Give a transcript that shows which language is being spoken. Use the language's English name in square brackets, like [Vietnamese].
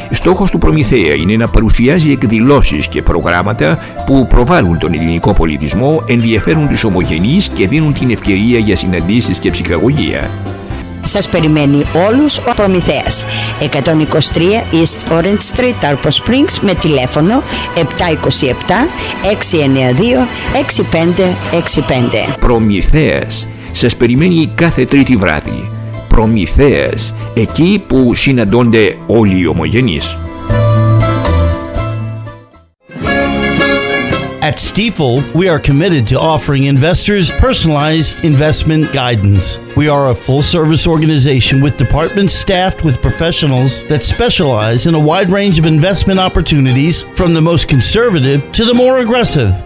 [Greek] Στόχος του Προμηθέα είναι να παρουσιάζει εκδηλώσεις και προγράμματα που προβάλλουν τον ελληνικό πολιτισμό, ενδιαφέρουν τους ομογενείς και δίνουν την ευκαιρία για συναντήσεις και ψυχαγωγία. Σας περιμένει όλους ο Προμηθέας. 123 East Orange Street, Tarpon Springs, με τηλέφωνο 727-692-6565. Προμηθέας. Σας περιμένει κάθε Τρίτη βράδυ. Προμηθέας. Εκεί που συναντώνται όλοι οι ομογενείς. [English] At Stifel, we are committed to offering investors personalized investment guidance. We are a full-service organization with departments staffed with professionals that specialize in a wide range of investment opportunities, from the most conservative to the more aggressive.